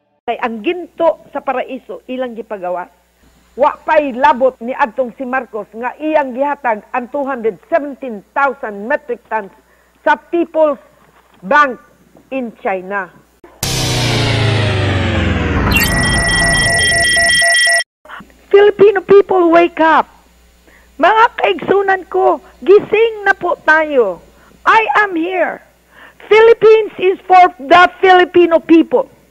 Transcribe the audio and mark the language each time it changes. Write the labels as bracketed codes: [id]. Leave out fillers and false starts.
[ceb] Ang ginto sa paraiso ilang gipagawa wa pay labot ni adtong si Marcos nga iyang gihatag ang 217,000 metric tons sa People's Bank in China. [en] Filipino people, wake up. [ceb] Mga kaigsunan ko, [tl] gising na po tayo. [en] I am here. Philippines is for the Filipino people.